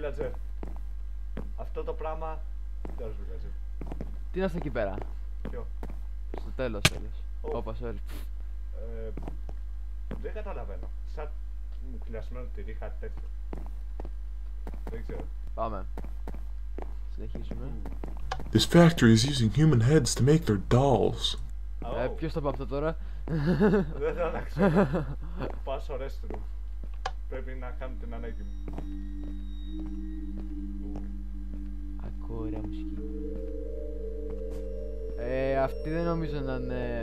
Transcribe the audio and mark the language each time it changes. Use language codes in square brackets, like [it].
[el] Villager. Αυτό το πράγμα. Τι ωραίο villager. Τι είναι αυτό εκεί πέρα. Ποιο. Στο τέλος. Όπα, sorry. Δεν καταλαβαίνω. Σαν μου κλασμένο τυρί είχα τέτοιο. Δεν ξέρω. Πάμε. Συνεχίζουμε. [en] This factory is using human heads to make their dolls. [el] Oh. Ποιος θα πω αυτό τώρα. Δεν θα τα ξέρω. Πάω στο restroom. Πρέπει να κάνω την ανάγκη μου. Ακούω ωραία μουσική. Αυτή δεν νομίζω να είναι...